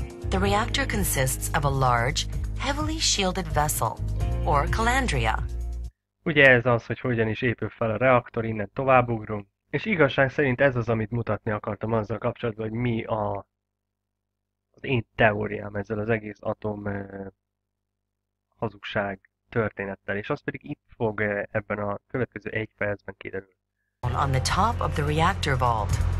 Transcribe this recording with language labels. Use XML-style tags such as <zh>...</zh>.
<en>The reactor consists of a large, heavily shielded vessel, or calandria.</en> <hu>Ugye ez az, hogy hogyan is épül fel a reaktor, innen továbbugrunk. És igazság szerint ez az, amit mutatni akartam azzal kapcsolatban, hogy mi az én teóriám ezzel az egész atom hazugság történettel. És az pedig itt fog ebben a következő egy percben kiderülni.</hu> <en>On the top of the reactor vault.</en>